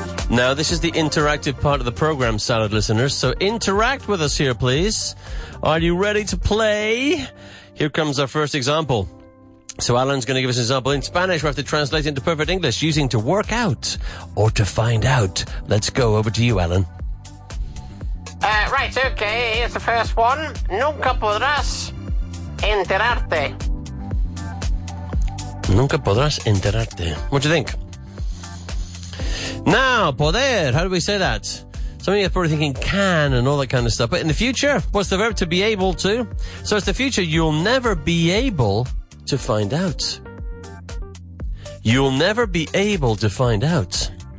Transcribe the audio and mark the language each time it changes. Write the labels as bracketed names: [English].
[English] Now, this is the interactive part of the program, salad listeners. So interact with us here, please. Are you ready to play? Here comes our first example. So Alan's going to give us an example in Spanish. We have to translate into perfect English using to work out or to find out. Let's go over to you, Alan. Right, okay. Here's the first one. [Spanish] Nunca podrás enterarte. Nunca podrás enterarte. [English] What do you think? Now, poder, how do we say that? Some of you are probably thinking can and all that kind of stuff. But in the future, what's the verb to be able to? So it's the future. You'll never be able to find out. You'll never be able to find out.